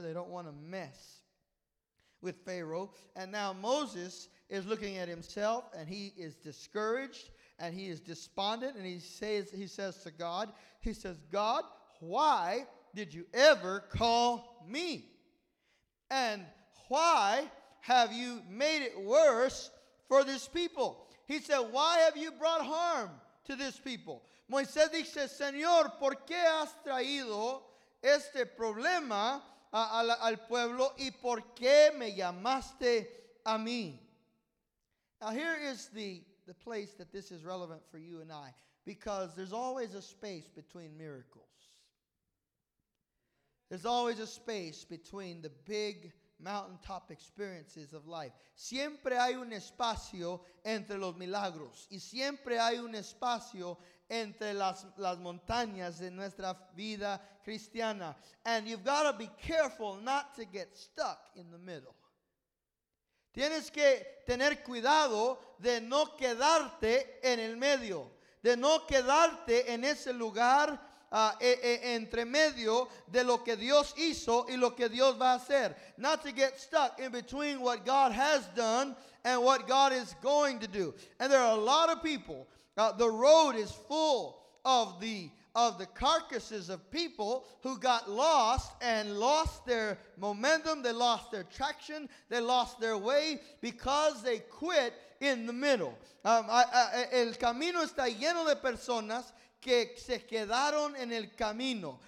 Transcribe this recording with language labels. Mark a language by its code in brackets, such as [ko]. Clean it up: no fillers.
[en] They don't want to mess with Pharaoh. And now Moses is looking at himself and he is discouraged and he is despondent, and he says to God, God, why did you ever call me? And why have you made it worse for this people? He said, why have you brought harm to this people? [es] Moisés dice, Señor, ¿por qué has traído este problema al pueblo y por qué me llamaste a mí? [en] Now here is the place that this is relevant for you and I, because there's always a space between miracles. There's always a space between the big mountaintop experiences of life. [es] Siempre hay un espacio entre los milagros y siempre hay un espacio entre las montañas de nuestra vida cristiana. [en] And you've got to be careful not to get stuck in the middle. [es] Tienes que tener cuidado de no quedarte en el medio, de no quedarte en ese lugar entre medio de lo que Dios hizo y lo que Dios va a hacer. [en] Not to get stuck in between what God has done and what God is going to do. And there are a lot of people. The road is full of the carcasses of people who got lost and lost their momentum. They lost their traction. They lost their way because they quit in the middle. [es] El camino está lleno de personas que se quedaron en el camino.